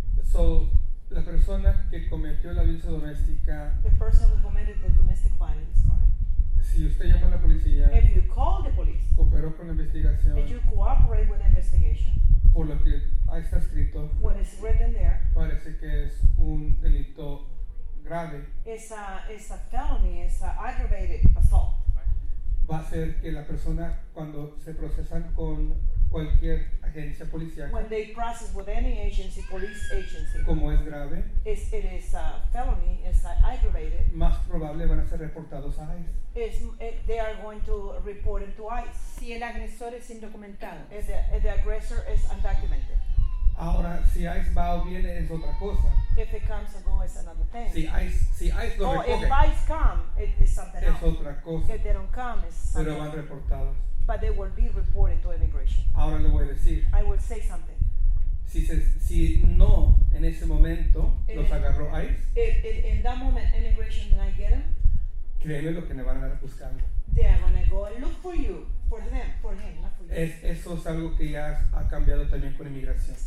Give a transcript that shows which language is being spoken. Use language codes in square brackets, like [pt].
[es] So, la persona que cometió la violencia doméstica, [en] the person who committed the domestic violence crime. [es] Si usted llama a la policía, [en] if you call the police, [es] cooperó con la investigación, [en] and you cooperate with the investigation, [es] por lo que ahí está escrito, [en] what is written there, [es] parece que es un delito grave. [en] It's a felony, it's an aggravated assault. [es] Va a ser que la persona, cuando se procesan con cualquier agencia policial, [en] when they process with any agency, police agency, [es] como es grave, [en] it is a felony, it's aggravated, [es] más probable van a ser reportados a ICE. [en] They are going to report it to ICE. [es] Si el agresor es indocumentado. [en] If the aggressor is undocumented. [es] Ahora, si ICE va o viene, es otra cosa. [en] If it comes or goes, it's another thing. [es] Si ICE lo recoge. [en] If ICE come, it is something es else. [es] Es otra cosa. [en] If they don't come, it's something [es] else. Pero van reportados. [en] But they will be reported to immigration. [es] Ahora le voy a decir. [en] I will say something. [es] Si no, en ese momento, los agarró ICE. [en] If in that moment, immigration, did I get them? [es] créeme lo que me van a dar buscando. [en] They are gonna go and look for you, for them, for him, not for you. [es] Eso es algo que ya ha cambiado también con inmigración.